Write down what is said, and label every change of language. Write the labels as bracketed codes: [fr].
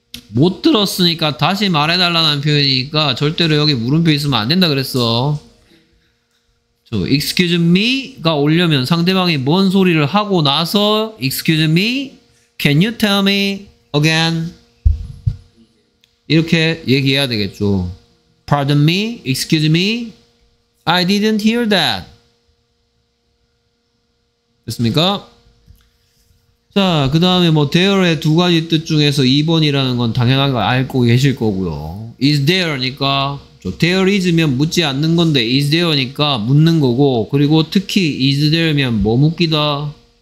[ko] 못 들었으니까 다시 말해달라는 표현이니까 절대로 여기 물음표 있으면 안 된다 그랬어. 저 excuse me가 오려면 상대방이 뭔 소리를 하고 나서 [en] excuse me, can you tell me again? [ko] 이렇게 얘기해야 되겠죠. [en] Pardon me, excuse me, I didn't hear that. [ko] 됐습니까? 자, 그 다음에 뭐 there의 두 가지 뜻 중에서 2번이라는 건 당연한 거 알고 계실 거고요. Is there니까 There is면 묻지 않는 건데 Is there니까 묻는 거고 그리고 특히 Is there면 뭐 묻기다?